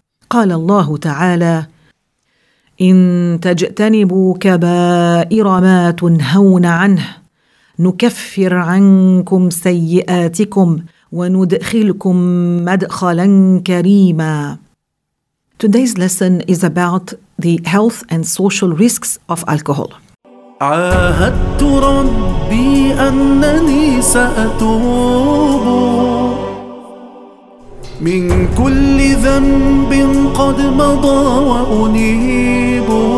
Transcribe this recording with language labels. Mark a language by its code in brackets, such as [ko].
[ar] قال الله تعالى: إن تجتنبوا كبائر ما تنهون عنه نكفر عنكم سيئاتكم وندخلكم مدخلا كريما. [en] Today's lesson is about the health and social risks of alcohol. [ar] عاهدت ربي أنني سأتوب من كل ذنب قد مضى وأنيب.